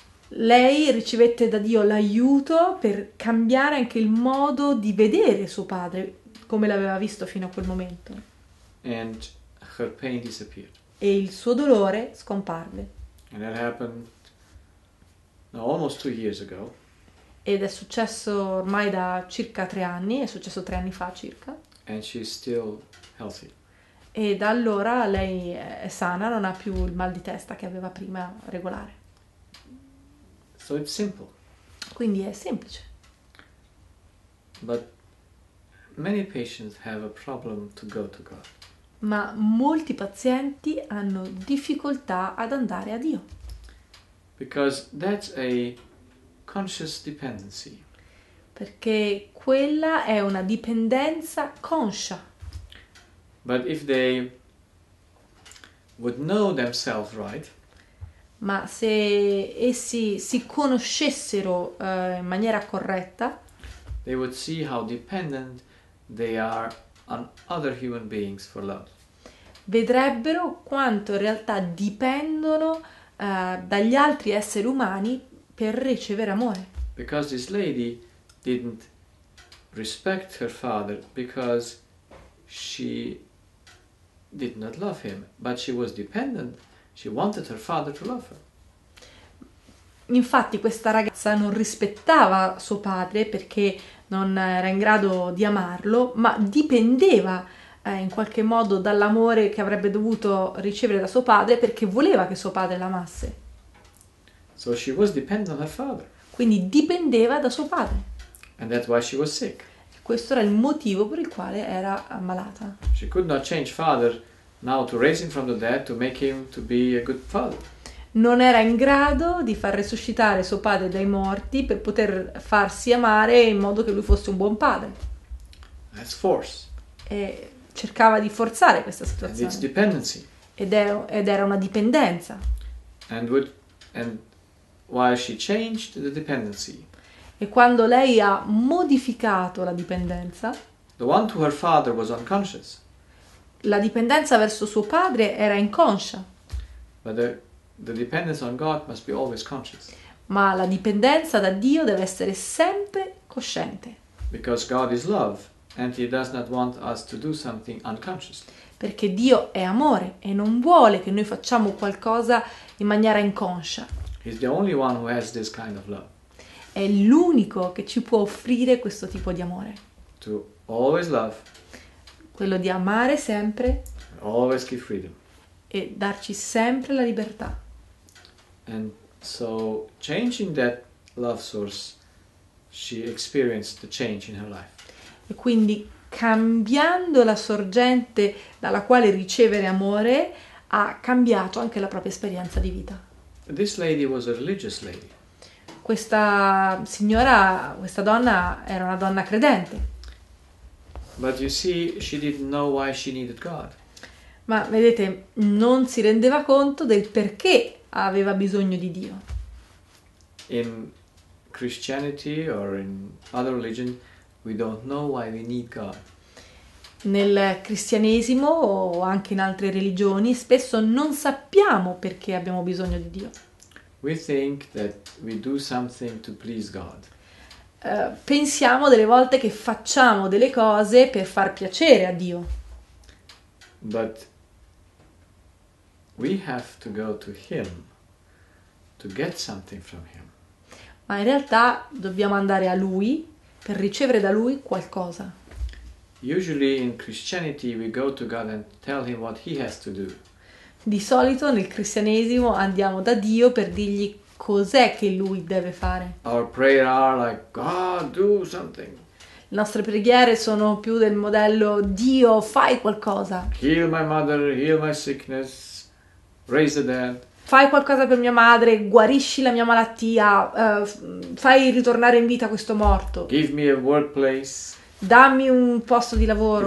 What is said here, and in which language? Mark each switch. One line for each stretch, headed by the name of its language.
Italian: lei ricevette da Dio l'aiuto per cambiare anche il modo di vedere suo padre, come l'aveva visto fino a quel momento.
English: And her pain disappeared.
Italian: E il suo dolore scomparve.
English: And that happened almost 2 years ago.
Italian: Ed è successo ormai da circa 3 anni, è successo 3 anni fa circa.
English: And she's still healthy.
Italian: E da allora lei è sana, non ha più il mal di testa che aveva prima regolare.
English: So it's simple.
Italian: Quindi è semplice.
English: But many patients have a problem to go to God.
Italian: Ma molti pazienti hanno difficoltà ad andare a Dio.
English: Because that's a conscious dependency.
Italian: Perché quella è una dipendenza conscia.
English: But if they would know themselves right,
Italian: Ma se essi si conoscessero, in maniera corretta,
English: they would see how dependent they are on other human beings for love.
Italian: vedrebbero quanto in realtà dipendono, dagli altri esseri umani per ricevere
English: Because this lady didn't respect her father because she did not love him, but she was dependent, she wanted her father to love her.
Italian: Infatti, questa ragazza non rispettava suo padre perché non era in grado di amarlo, ma dipendeva in qualche modo dall'amore che avrebbe dovuto ricevere da suo padre perché voleva che suo padre l'amasse.
English: So she was dependent on her father.
Italian: Quindi dipendeva da suo padre.
English: And that's why she was sick.
Italian: E questo era il motivo per il quale era ammalata.
English: She could not change father now to raise him from the dead to make him to be a good father.
Italian: Non era in grado di far risuscitare suo padre dai morti per poter farsi amare in modo che lui fosse un buon padre.
English: That's force.
Italian: E cercava di forzare questa
English: And it's
Italian: situazione
English: dependency.
Italian: ed era una dipendenza. E
English: While she changed the dependency,
Italian: quando lei ha modificato la dipendenza,
English: the one to her father was unconscious.
Italian: La dipendenza verso suo padre era inconscia.
English: But the dependence on God must be always conscious.
Italian: Ma la dipendenza da Dio deve essere sempre cosciente.
English: Because God is love and he does not want us to do something unconsciously.
Italian: Perché Dio è amore e non vuole che noi facciamo qualcosa in maniera inconscia.
English: He's the only one who has this kind of love.
Italian: È l'unico che ci può offrire questo tipo di amore.
English: To always love.
Italian: Quello di amare sempre.
English: Always give freedom.
Italian: E darci sempre la libertà.
English: And so changing that love source, she experienced the change in her life.
Italian: E quindi cambiando la sorgente dalla quale ricevere amore, ha cambiato anche la propria esperienza di vita.
English: This lady was a religious lady.
Italian: Questa signora, questa donna era una donna credente.
English: But you see, she didn't know why she needed God.
Italian: Ma vedete, non si rendeva conto del perché aveva bisogno di Dio.
English: In Christianity or in other religion, we don't know why we need God.
Italian: Nel cristianesimo o anche in altre religioni, spesso non sappiamo perché abbiamo bisogno di Dio.
English: We think that we do something to please God.
Italian: Pensiamo delle volte che facciamo delle cose per far piacere a Dio.
English: But we have to go to him to get something from him.
Italian: Ma in realtà dobbiamo andare a lui per ricevere da lui qualcosa.
English: Usually in Christianity we go to God and tell him what he has to do.
Italian: Di solito nel cristianesimo andiamo da Dio per dirgli cos'è che lui deve fare.
English: Our prayer are like, God, do something.
Italian: Le nostre preghiere sono più del modello Dio, fai qualcosa.
English: Heal my mother, heal my sickness, raise the dead.
Italian: Fai qualcosa per mia madre, guarisci la mia malattia, fai ritornare in vita questo morto.
English: Give me a workplace.
Italian: Dammi un posto di lavoro.